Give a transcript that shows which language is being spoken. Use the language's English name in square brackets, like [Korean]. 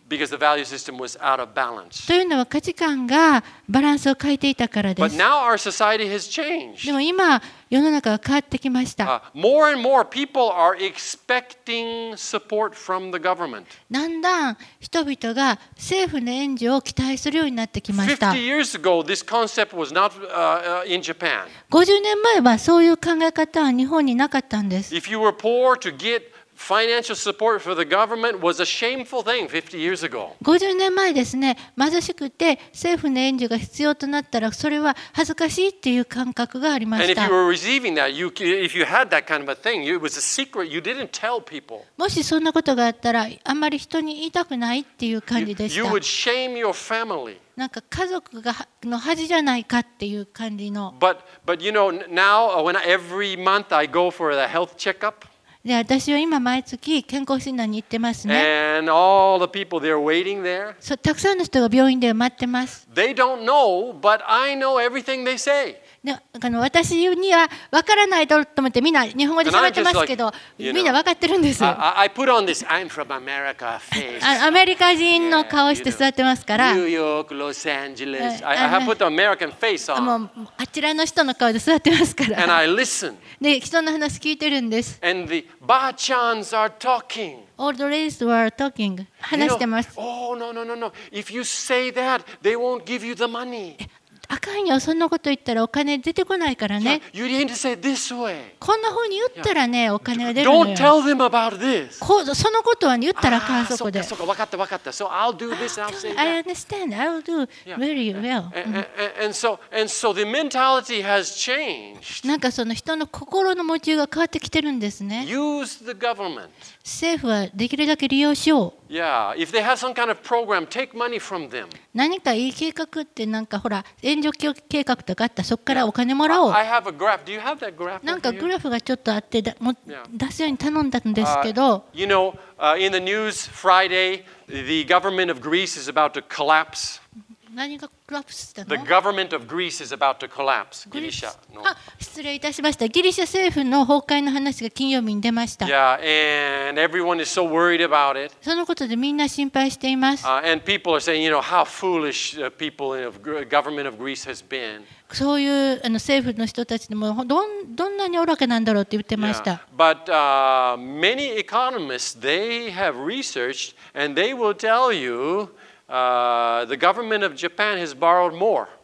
[English] Because the value system was out of balance. [Japanese] というのは価値観がバランスを変えていたからです。 [English] But now our society has changed. [Japanese] でも今世の中が変わってきました。 [English] More and more people are expecting support from the government. [Japanese] だんだん人々が政府の援助を期待するようになってきました。 [English] 50 years ago, this concept was not in Japan. [Japanese] 50年前はそういう考え方は日本になかったんです。 [English] If you were poor to get financial support for the government was a shameful thing 50 years ago. [Japanese] 50年前ですね、貧しくて政府の援助が必要となったらそれは恥ずかしいっていう感覚がありました。 [English] And if you were receiving that, you, if you had that kind of a thing, it was a secret. You didn't tell people. [Japanese] もしそんなことがあったらあんまり人に言いたくないっていう感じでした。 [English] You would shame your family. [Japanese] なんか家族がの恥じゃないかっていう感じの。 [English] But you know now when every month I go for the health checkup. [Japanese] で私は今毎月健康診断に行ってますね。 [English] And all the people, they're waiting there. [Japanese] そう、たくさんの人が病院で待ってます。 [English] They don't know, but I know everything they say. [Japanese] で、あの、私には分からないと思ってみんな日本語で喋ってますけど、みんな分かってるんです。 [English] I put on this I'm from America face. [Japanese] アメリカ人の顔して座ってますから。ニューヨーク、ロサンゼルス。 [English] I have put the American face on. [Japanese] もうあちらの人の顔で座ってますから。 [English] And I listen. [Japanese] で人の話聞いてるんです。 [English] And the ba-chans are talking. All the ladies were talking. [Japanese] 話してます。 [English] You know, oh, no, no, no, no. If you say that, they won't give you the money. [Japanese] あかんよ。そんなこと言ったらお金出てこないからね。 [English] Yeah, you need to say this way. [Japanese] こんな風に言ったらね、お金が出るの [English] よ。Don't tell them about this. [Japanese] そのことは、ね、言ったらあかん、そこで。そうか、分かった、分かった。 [English] So I'll do this and I'll say that. I understand. I'll do very well. And so the mentality has changed. [Japanese] なんかその人の心の持ちが変わってきてるんですね。 [English] Use the government. [Japanese] 政府はできるだけ利用しよう。 [English] Yeah, if they have some kind of program, take money from them. [Japanese] 何かいい計画ってなんかほら、援助計画とかあったらそこからお金もらおう。 [English] I have a graph. Do you have that graph? [Japanese] なんかグラフがちょっとあって出すように頼んだんですけど。 [English] You know, in the news Friday, the government of Greece is about to collapse. [Japanese] 何がコラプスしたの? [English] The government of Greece is about to collapse. [Japanese] ギリシャの。あ、失礼いたしました。ギリシャ政府の崩壊の話が金曜日に出ました。 [English] Yeah, and everyone is so worried about it. [Japanese] そのことでみんな心配しています。 [English] And people are saying, you know, how foolish the people of government of Greece has been. [Japanese] そういうあの政府の人たちでもどんなに愚かなんだろうって言ってました。 [English] Yeah. But many economists, they have researched and they will tell you. The government of Japan has borrowed more.